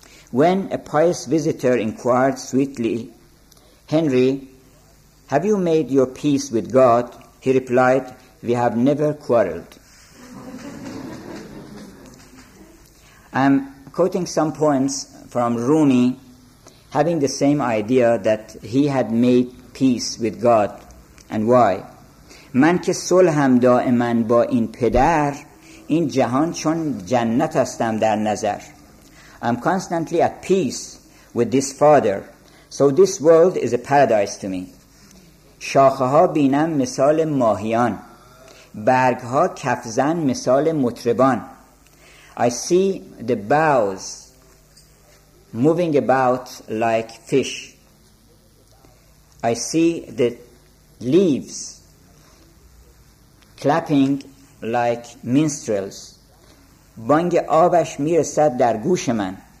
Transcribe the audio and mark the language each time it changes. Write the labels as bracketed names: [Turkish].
[English] When a pious visitor inquired sweetly, "Henry, have you made your peace with God?" he replied, "We have never quarreled." I'm quoting some poems from Rumi, having the same idea that he had made peace with God, and why. [Persian] من که صلحم دائما با این پدر این جهان چون جنت هستم در نظر. [English] I'm constantly at peace with this father, so this world is a paradise to me. [Persian] شاخه ها بینم مثال ماهیان، برگ ها کفزن مثال مطربان. [English] I see the boughs moving about like fish. I see the leaves clapping like minstrels. [Persian] بانگ آبش میرسد در گوش من.